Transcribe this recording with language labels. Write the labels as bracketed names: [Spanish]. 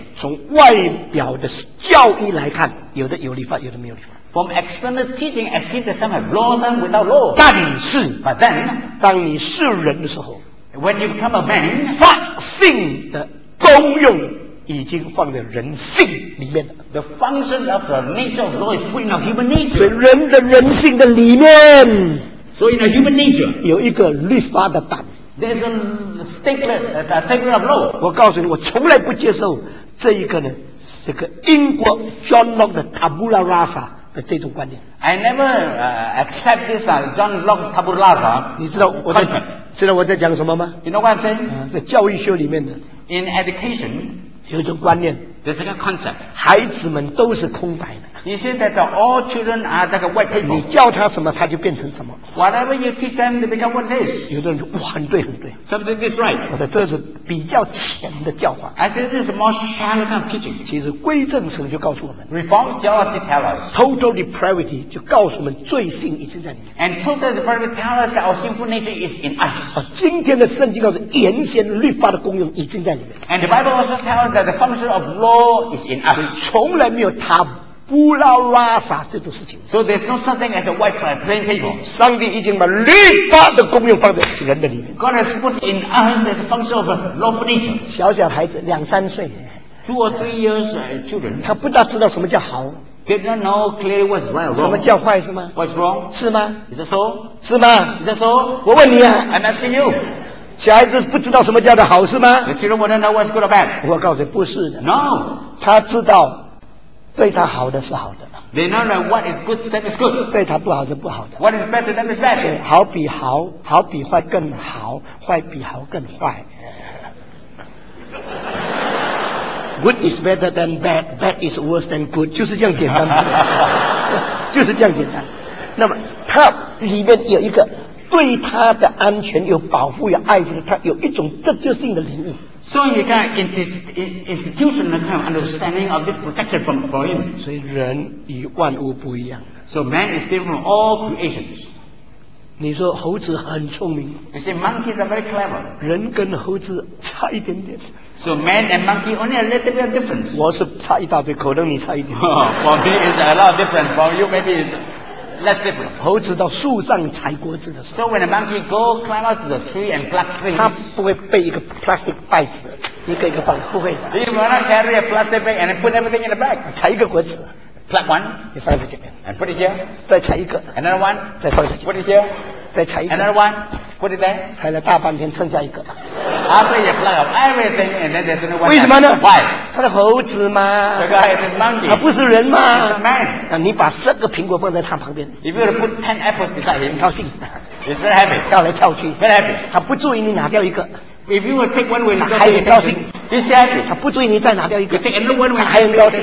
[Chinese] 从外表的教义来看有的有律法有的没有律法 [English] From external teaching I see that some have laws and without law [Chinese] 但是 [English] But then, [Chinese] 当你是人的时候 [English] When you become a man [Chinese] 法性的功用已经放在人性里面了。 [English] The function of the nature of law is put in our human nature. [Chinese] 所以人的人性的里面。 [English] So in our human nature. [Chinese] 有一个律法的胆。 [English] There's a statement of law. [Chinese] 我告诉你，我从来不接受这一个呢。这个英国 John Locke 的 Tabula Rasa 这种观点。 [English] I never accept this John Locke tabula. [Chinese] 你知道我在知道我在讲什么吗？ [English] You know what I'm saying? [Chinese] 在教育学里面的。 [English] In education, [Chinese] 有一种观念。 [English] There's a concept. [Chinese] 孩子们都是空白的。你现在的 [English] all children are [Chinese] 这个 [English] white paper. [Chinese] 你教他什么，他就变成什么。 [English] Whatever you teach them, they become what it is. [Chinese] 有的人说哇，很对，很对。 [English] Something is right. [Chinese] 我说这是比较浅的教法。 [English] I say this is more shallow kind of teaching. [Chinese] 其实归正神就告诉我们。 [English] Reformed theology tells us. [Chinese] Total depravity 就告诉我们罪性已经在里面。 [English] And total depravity tells us that our sinful nature is in us. [Chinese] 今天的圣经告诉原先律法的功用已经在里面。 [English] And the Bible also tells us that the function of law is in us. [Chinese] 从来没有他。乌拉拉撒这种事情。 [English] So there's no such thing as a white plain paper. [Chinese] 上帝已经把律法的功用放在人的里面。 [English] God has put in us as a function of lawful nature. [Chinese] 小小孩子两三岁。 [English] Two or three years children. [Chinese] 他不大知道什么叫好。 [English] Did not know clearly what's right or wrong. [Chinese] 什么叫坏是吗？ [English] What's wrong? [Chinese] 是吗？ [English] Is that so? [Chinese] 是吗？ [English] Is that so? [Chinese] 我问你啊。 [English] I'm asking you. [Chinese] 小孩子不知道什么叫的好是吗？ [English] The children wouldn't know what's good or bad. [Chinese] 我告诉你不是的。 [English] No. [Chinese] 他知道。对他好的是好的。 [English] They know that what is good to them is good. [Chinese] 对他不好是不好的。 [English] What is bad to them is bad. [Chinese] 好比好，好比坏更好，坏比好更坏。 [English] Good is better than bad, bad is worse than good. [Chinese] 就是这样简单。就是这样简单。那么他里面有一个对他的安全有保护有爱护的，他有一种自救性的领悟。 [English] So he got institutional kind of understanding of this protection from for him. [Chinese] 所以人与万物不一样。 [English] So man is different from all creations. [Chinese] 你说猴子很聪明。 [English] You say monkeys are very clever. [Chinese] 人跟猴子差一点点。 [English] So man and monkey only a little bit of difference. [Chinese] 我是差一大堆，可能你差一点。 [English] For me is a lot different. For you maybe less different. [Chinese] 猴子到树上采果子的时候。 [English] So when a monkey go climb up to the tree and pluck trees. [Chinese] 他不会背一个 [English] plastic bag， [Chinese] 一个一个放，不会的。 [English] He will not carry a plastic bag and put everything in the bag. [Chinese] 采一个果子。 [English] Pluck one. You find it again. And put it here. [Chinese] 再采一个。 [English] Another one. [Chinese] 再放进去。 [English] Put it here. [Chinese] 再采一个。 [English] Another one. Put it there. [Chinese] 采了大半天，剩下一个。 [English] After you pluck up everything and then there's another one. [Chinese] 为什么呢？ [English] Why? [Chinese] 他是猴子吗？ [English] The guy is monkey. [Chinese] 他不是人吗？ [English] He's a man. [Chinese] 那你把十个苹果放在他旁边。 [English] If you put 10 apples beside him. [Chinese] 很高兴。 [English] He's very happy. [Chinese] 跳来跳去。 [English] Very happy. [Chinese] 他不注意你拿掉一个。 [English] If you will take one with him, [Chinese] 他还很高兴。 [English] He's happy. [Chinese] 他不注意你再拿掉一个。 [English] You take another one with him, [Chinese] 他还很高兴。